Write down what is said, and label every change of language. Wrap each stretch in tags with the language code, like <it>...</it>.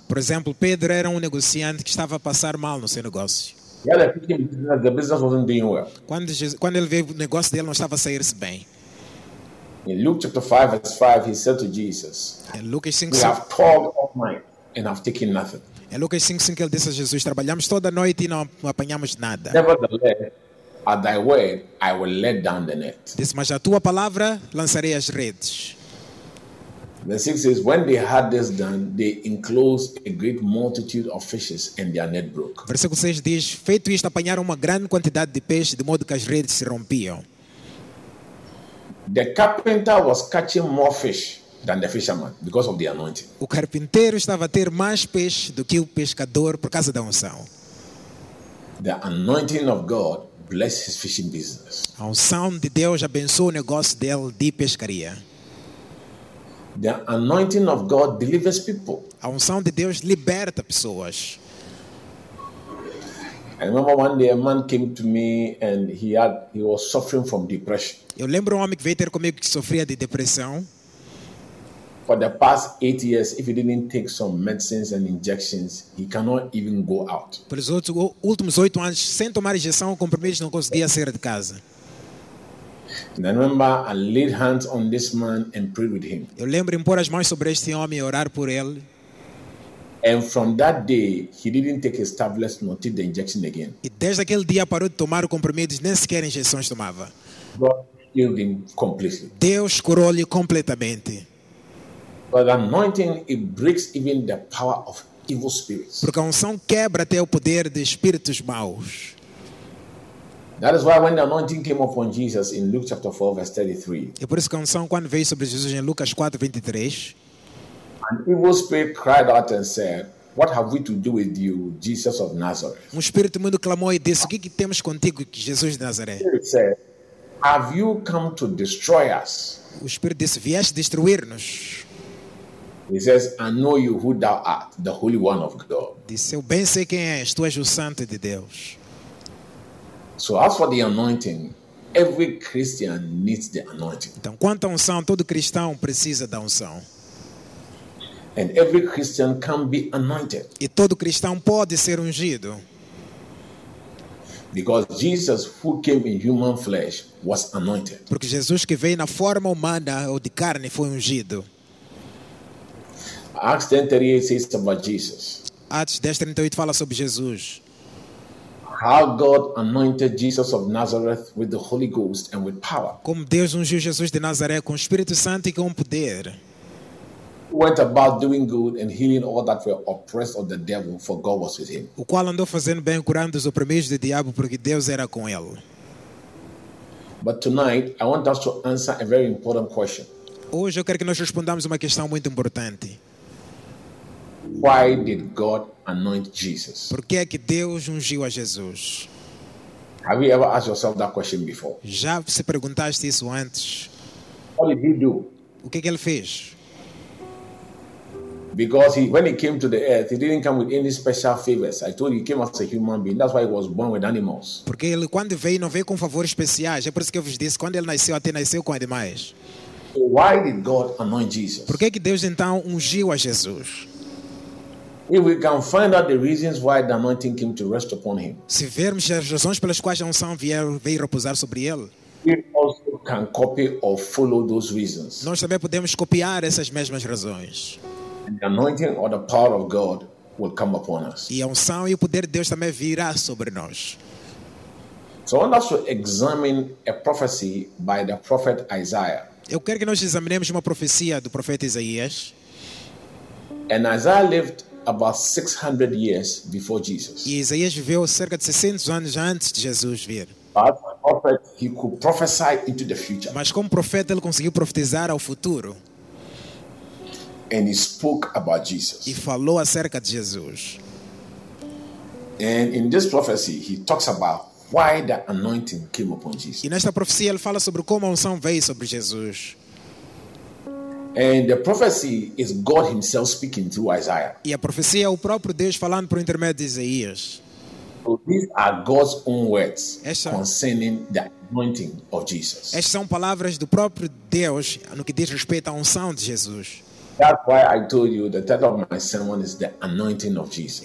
<pt>Por exemplo, Pedro era um negociante que estava a passar mal no seu negócio.</pt> <en>Yeah, the business wasn't doing well.</en> <pt>Quando ele veio, o negócio dele não estava a sair-se bem.</pt> <en>In Luke chapter 5, verse 5, he said to Jesus,</en> <pt>Lucas 5,</pt> <en>we have toiled all night and have taken nothing.</en> <pt>Em Lucas 5:5 ele disse a Jesus, trabalhamos toda a noite e não apanhamos nada.</pt> <en>Nevertheless, at thy word, I will let down the net.</en> <pt>Disse, mas a tua palavra, lançarei as redes.</pt> <en>Verse 6 says, when they had this done, they enclosed a great multitude of fishes and their net broke.</en> <pt>Versículo 6 diz, feito isto, apanharam uma grande quantidade de peixes, de modo que as redes se rompiam.</pt> <en>The carpenter was catching more fish than the fisherman because of the anointing.</en> <pt>O carpinteiro estava a ter mais peixe do que o pescador por causa da unção.</pt> <en>The anointing of God blessed his fishing business.</en> <pt>A unção de Deus abençoou o negócio dele de pescaria.</pt> <en>The anointing of God delivers people.</en> <pt>A unção de Deus liberta pessoas.</pt> <en>I remember one day a man came to me and he was suffering from depression.</en> <pt>Eu lembro um homem que veio ter comigo que sofria de depressão.</pt> <en>For the past 8 years, if he didn't take some medicines and injections, he cannot even go out.</en> <pt>Pelos últimos 8 anos, sem tomar injeção ou comprimidos, não conseguia sair de casa.</pt> <en>And I remember I laid hands on this man and prayed with him.</en> <pt>Eu lembro em pôr as mãos sobre este homem e orar por ele.</pt> <en>And from that day, he didn't take his tablets nor take the injection again.</en> <pt>E desde aquele dia parou de tomar comprimidos, nem sequer injeções tomava.</pt> <en>God healed him completely.</en> <pt>Deus curou-lhe completamente.</pt> <en>But anointing, it breaks even the power of evil spirits.</en> <pt>Porque a unção quebra até o poder de espíritos maus.</pt> <en>That is why when the anointing came upon Jesus in Luke chapter 4 verse 33.</en> <pt>E por isso que a unção quando veio sobre Jesus em Lucas 4, 23.</pt> <en>An evil spirit cried out and said, what have we to do with you, Jesus of Nazareth?</en> <pt>Um espírito imundo clamou e disse, o que temos contigo, Jesus de Nazaré?</pt> <en>The spirit said, have you come to destroy us?</en> <pt>O espírito disse, vieste destruir-nos?</pt> <en>He says, I know you who thou art, the Holy One of God.</en> <pt>Disse, eu bem sei quem és, tu és o Santo de Deus.</pt> <en>So as for the anointing, every Christian needs the anointing.</en> <pt>Então, quanto à unção, todo cristão precisa da unção.</pt> <en>And every Christian can be anointed.</en> <pt>E todo cristão pode ser ungido.</pt> <en>Because Jesus, who came in human flesh, was anointed.</en> <pt>Porque Jesus que veio na forma humana ou de carne foi ungido.</pt> <en>Acts 10:38 says about Jesus.</en> <pt>Atos 10:38 fala sobre Jesus.</pt> <en>How God anointed Jesus of Nazareth with the Holy Ghost and with power.</en> <pt>Como Deus ungiu Jesus de Nazaré com o Espírito Santo e com poder.</pt> <en>Went about doing good and healing all that were oppressed of the devil, for God was with him.</en> <pt>O qual andou fazendo bem, curando os oprimidos do diabo, porque Deus era com ele.</pt> <en>But tonight, I want us to answer a very important question.</en> <pt>Hoje eu quero que nós respondamos uma questão muito importante.</pt> <en>Why did God anoint Jesus?</en> <pt>Por que é que Deus ungiu a Jesus?</pt> <en>Have you ever asked yourself that question before?</en> <pt>Já se perguntaste isso antes?</pt> <en>What did he do?</en> <pt>O que é que ele fez?</pt> <en>Because when he came to the earth, he didn't come with any special favors. I told you, he came as a human being. That's why he was born with animals.</en> <pt>Porque ele quando veio não veio com favores especiais. É por isso que eu vos disse, quando ele nasceu, até nasceu com animais.</pt> <en>So why did God anoint Jesus?</en> <pt>Por que é que Deus então ungiu a Jesus?</pt> <en>If we can find out the reasons why the anointing came to rest upon him.</en> <pt>Se vermos as razões pelas quais a unção veio repousar sobre ele.</pt> <en>We also can copy or follow those reasons.</en> <pt>Nós também podemos copiar essas mesmas razões.</pt> <en>The anointing or the power of God will come upon us.</en> <pt>E a unção e o poder de Deus também virá sobre nós.</pt> <en>So I want us to examine a prophecy by the prophet Isaiah.</en> <pt>Eu quero que nós examinemos uma profecia do profeta Isaías.</pt> <en>And Isaiah lived about 600 years before Jesus.</en> <pt>E Isaías viveu cerca de 600 anos antes de Jesus vir.</pt> <en>But as a prophet, he could prophesy into the future.</en> <pt>Mas como profeta ele conseguiu profetizar ao futuro.</pt> <en>And he spoke about Jesus.</en> <pt>E falou acerca de Jesus.</pt> <en>And in this prophecy, he talks about why the anointing came upon Jesus.</en> <pt>E nesta profecia ele fala sobre como a unção veio sobre Jesus.</pt> <en>And the prophecy is God himself speaking through Isaiah.</en> <pt>E a profecia é o próprio Deus falando por intermédio de Isaías.</pt> <en>So these are God's own words concerning the anointing of Jesus.</en> <pt>Estas são palavras do próprio Deus no que diz respeito à unção de Jesus.</pt> <en>That's why I told you the title of my sermon is the anointing of Jesus.</en>